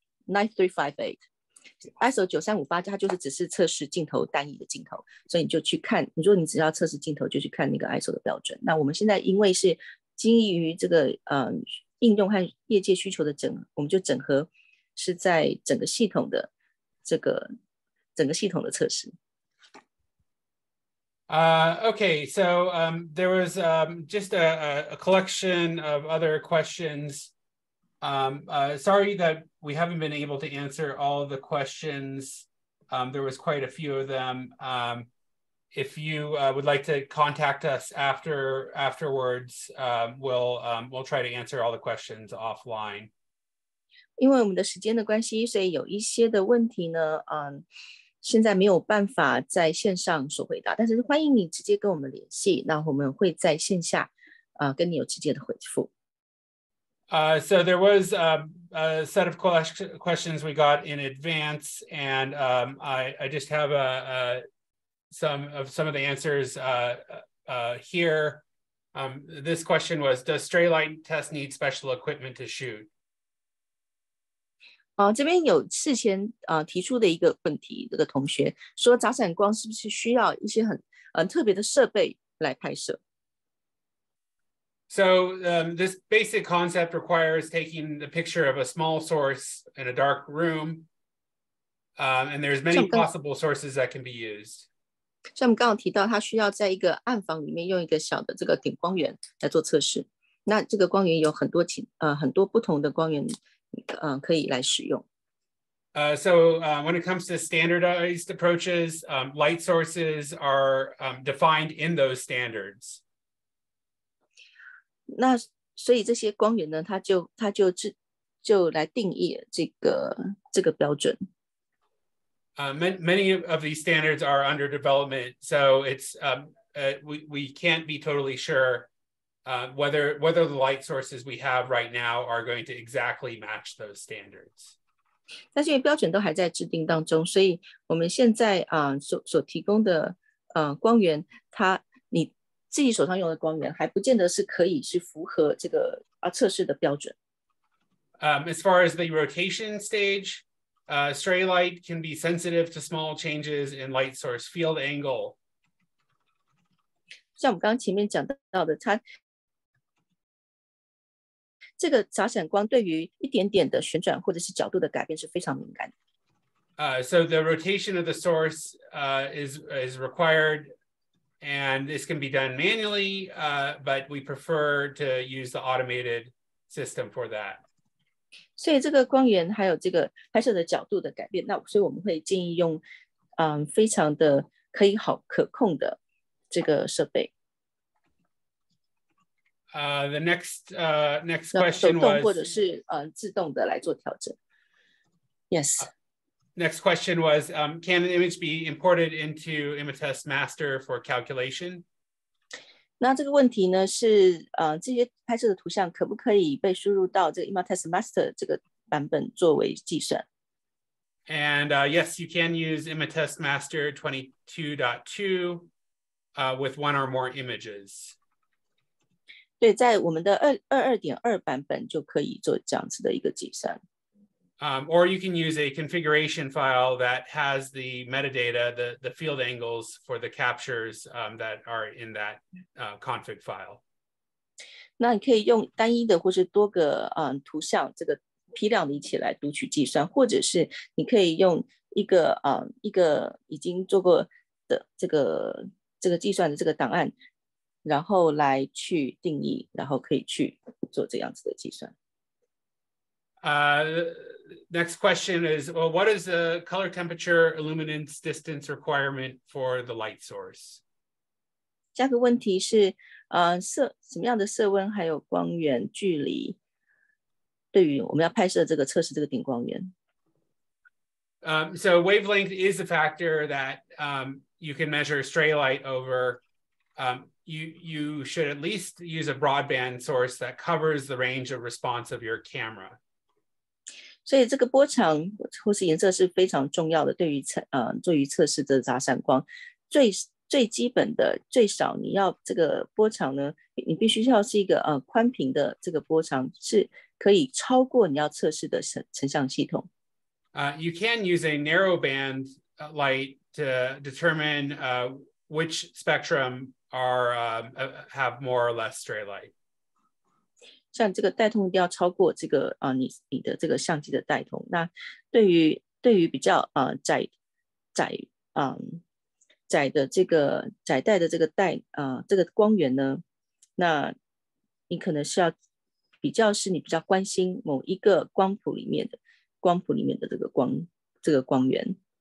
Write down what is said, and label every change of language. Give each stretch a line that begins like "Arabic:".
Chinese: ISO 9358，它就是只是测试镜头单一的镜头，所以你就去看。如果你只要测试镜头，就去看那个 ISO 的标准。那我们现在因为是基于这个应用和业界需求的整合，我们就整合是在整个系统的这个整个系统的测试。
English: Okay, so there was just a collection of other questions. Sorry that we haven't been able to answer all the questions. There was quite a few of them. If you would like to contact us afterwards, we'll try to answer all the questions offline.
Chinese: 因为我们的时间的关系，所以有一些的问题呢，现在没有办法在线上所回答。但是欢迎你直接跟我们联系，那我们会在线下，跟你有直接的回复。
English: So there was a set of questions we got in advance, and I just have some of the answers here. This question was, does stray light test need special equipment to shoot?
Chinese: 这边有事前提出的一个问题，这个同学说杂闪光是不是需要一些很特别的设备来拍摄？
English: So this basic concept requires taking the picture of a small source in a dark room, and there's many possible sources that can be used.
Chinese: 像我们刚刚提到，它需要在一个暗房里面用一个小的这个顶光源来做测试。那这个光源有很多很多不同的光源，可以来使用。
English: When it comes to standardized approaches, light sources are defined in those standards.
Chinese: 那所以这些光源呢，它就来定义这个标准。
English: Many of these standards are under development, so it's we can't be totally sure whether the light sources we have right now are going to exactly match those standards.
Chinese: 但是因为标准都还在制定当中，所以我们现在所提供的光源，它你自己手上用的光源还不见得是可以是符合这个测试的标准。
English: As far as the rotation stage. Stray light can be sensitive to small changes in light source field angle.
Chinese: 像我们刚刚前面讲到的，它这个杂闪光对于一点点的旋转或者是角度的改变是非常敏感的。
English: So the rotation of the source is required, And this can be done manually, but we prefer to use the automated system for that.
Chinese: 所以这个光源还有这个拍摄的角度的改变，那所以我们会建议用，非常的可以好可控的这个设备。
English: The next question was
Chinese: 手动或者是自动的来做调整。
English: Yes. Next question was, can an image be imported into ImageTest Master for calculation?
Chinese: 那这个问题呢是这些拍摄的图像可不可以被输入到这个 ImageTest Master 这个版本作为计算？
English: And yes, you can use ImageTest Master 22.2 with one or more images.
Chinese: 对，在我们的22.2版本就可以做这样子的一个计算。
English: Or you can use a configuration file that has the metadata, the field angles for the captures that are in that config file.
Chinese: 那你可以用单一的或是多个图像这个批量的一起来读取计算，或者是你可以用一个已经做过的这个计算的这个档案，然后来去定义，然后可以去做这样子的计算。
English: Next question is, well, what is the color temperature illuminance distance requirement for the light source?
Chinese: 下个问题是，什么样的色温还有光源距离，对于我们要拍摄这个测试这个顶光源。
English: So wavelength is a factor that you can measure stray light over. You should at least use a broadband source that covers the range of response of your camera.
Chinese: 所以这个波长或是颜色是非常重要的，对于做于测试的杂散光，最基本的最少你要这个波长呢，你必须要是一个宽频的这个波长是可以超过你要测试的成像系统。
English: You can use a narrow band light to determine which spectrum are have more or less stray light.
Chinese: 像这个带通一定要超过这个你的这个相机的带通。那对于比较窄的这个窄带的这个带这个光源呢，那你可能是要比较是你比较关心某一个光谱里面的这个光源。